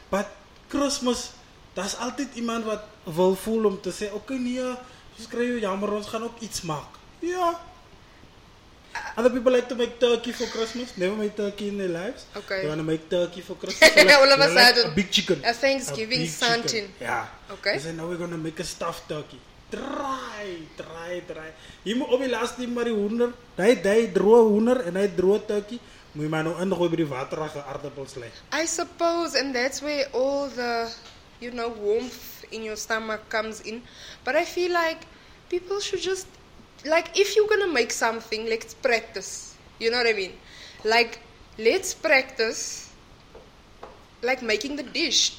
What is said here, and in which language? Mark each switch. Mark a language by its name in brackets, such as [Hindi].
[Afrikaans] But Christmas... Da's altyd iemand wat wil voel om te sê, okay, nee, ons kry jou jammer, ons gaan ook iets maak. Ja. [English] Other people like to make turkey for Christmas. Never made turkey in their lives. Okay. They want to make turkey for Christmas. All of a sudden. A big chicken. A Thanksgiving something. Yeah. Okay. They say, now we're going to make a stuffed turkey. Dry. [Afrikaans] Jy moet op die laatste die maar die hoender, die droe hoender en die droe turkey, moet jy maar nou ingooi by die waterige aardappels lê. [English] I suppose, and that's where all the... You know, warmth in your stomach comes in. But I feel like people should just... Like, if you're going to make something, let's practice. You know what I mean? Like, let's practice, like, making the dish.